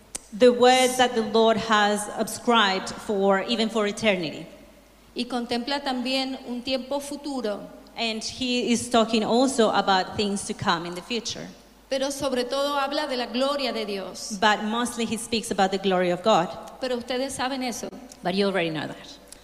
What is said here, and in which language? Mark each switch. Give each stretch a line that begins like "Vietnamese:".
English: The words that the Lord has ascribed for even for eternity.
Spanish: Y contempla también un tiempo futuro.
English: And he is talking also about things to come in the future.
Spanish: Pero sobre todo habla de la gloria de Dios.
English: But mostly he speaks about the glory of God.
Spanish: Pero ustedes saben eso.
English: But you already know that.